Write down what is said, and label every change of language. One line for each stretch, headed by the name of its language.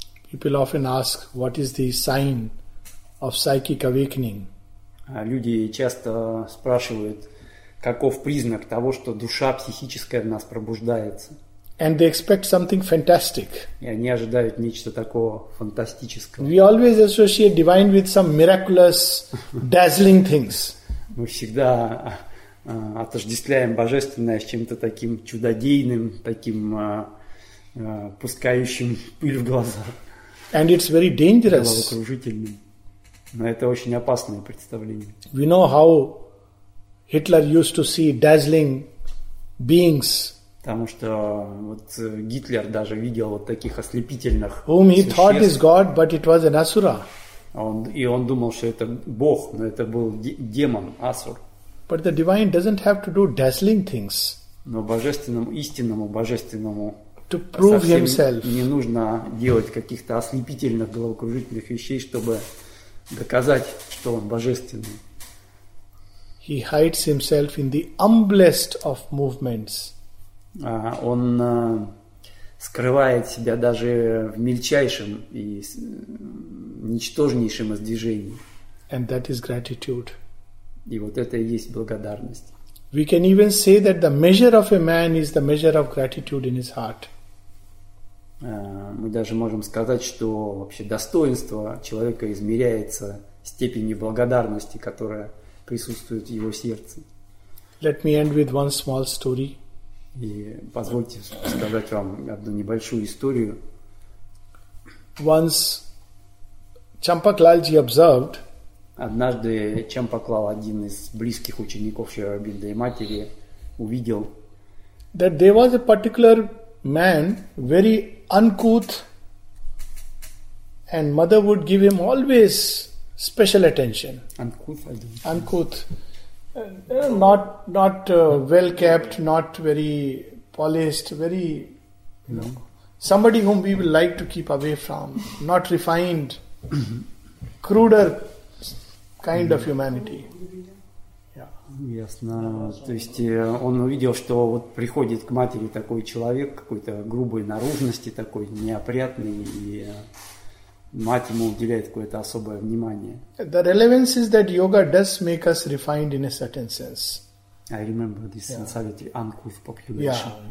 English: People often ask, what is the sign of psychic awakening?
Russian: Люди часто спрашивают, каков признак того, что душа психическая в нас пробуждается.
English: And they expect something fantastic.
Russian: И они ожидают нечто такого фантастического.
English: We always associate divine with some miraculous, dazzling things.
Russian: Мы всегда отождествляем божественное с чем-то таким чудодейным, таким пускающим пыль в глаза.
English: And it's very dangerous.
Russian: Головокружительным. Но это очень опасное представление.
English: We know how Hitler used to see dazzling beings.
Russian: Потому что вот Гитлер даже видел вот таких ослепительных
English: whom he
Russian: существ.
English: Thought is God, but it was an asura.
Russian: Он думал, что это бог, но это был демон, асур.
English: But the divine doesn't have to do dazzling things.
Russian: Но божественному, истинному божественному
English: to prove himself.
Russian: Не нужно делать каких-то ослепительных головокружительных вещей, чтобы доказать, что он божественный.
English: He hides himself in the humblest of movements.
Russian: Он скрывает себя даже в мельчайшем и ничтожнейшем из движений.
English: And that is gratitude.
Russian: И вот это и есть благодарность.
English: We can even say that the measure of a man is the measure of gratitude in his heart.
Russian: Мы даже можем сказать, что вообще достоинство человека измеряется степенью благодарности, которая присутствует в его сердце.
English: Let me end with one small story.
Russian: И позвольте сказать вам одну небольшую историю.
English: Once Champaklalji observed.
Russian: Однажды Чампаклал, один из близких учеников Шри Аурабинда и матери, увидел,
English: that there was a particular man, very uncouth, and mother would give him always special attention. Uncouth. Not well kept, not very polished, very, you know, somebody whom we would like to keep away from, not refined, cruder kind of humanity.
Russian: Ясно. То есть он увидел, что вот приходит к матери такой человек, какой-то грубой наружности, такой неопрятный, и мать ему уделяет какое-то особое внимание.
English: The relevance is that yoga does make us refined in a certain sense. I remember this sensuality, uncouth population.